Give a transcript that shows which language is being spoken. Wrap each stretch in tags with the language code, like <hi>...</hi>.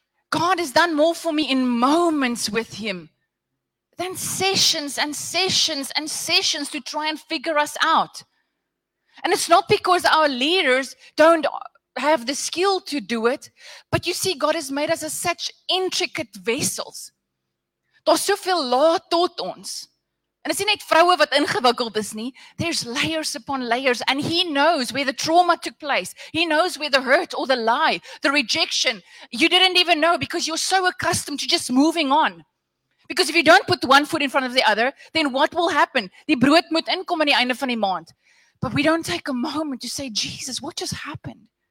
<en>God has done more for me in moments with him than sessions and sessions and sessions to try and figure us out. And it's not because our leaders don't have the skill to do it, but you see, God has made us as such intricate vessels.</en> <af>Daar's soveel lae tot ons. En is nie net vroue wat ingewikkeld is nie.</af> <en>There's layers upon layers, and he knows where the trauma took place. He knows where the hurt or the lie, the rejection. You didn't even know because you're so accustomed to just moving on. Because if you don't put one foot in front of the other, then what will happen?</en> <af>Die brood moet inkom aan die einde van die maand.</af> <en>But we don't take a moment to say, Jesus, what just happened?</en>